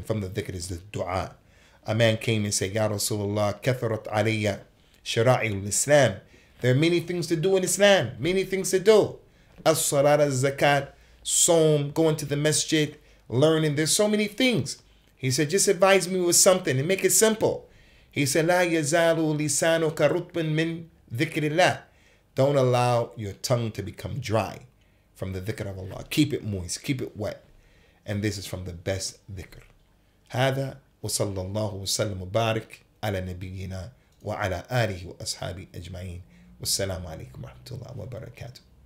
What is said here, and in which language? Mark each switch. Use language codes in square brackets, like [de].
[en] And from the dhikr is the dua. A man came and said, [ar] Ya Rasulullah, kathrat alayya shara'il Islam. [en] There are many things to do in Islam. Many things to do. As-salat, as-zakat, Psalm, going to the masjid, learning. There's so many things. He said, just advise me with something and make it simple. He said, [ar] لا يزال لسانك رطبا من ذكر الله. [en] Don't allow your tongue to become dry from the ذكر of Allah. Keep it moist, keep it wet. And this is from the best ذكر. [ar] هذا وصلى الله وسلم وبارك على نبينا وعلى آله وأصحابه أجمعين. والسلام عليكم ورحمة الله وبركاته.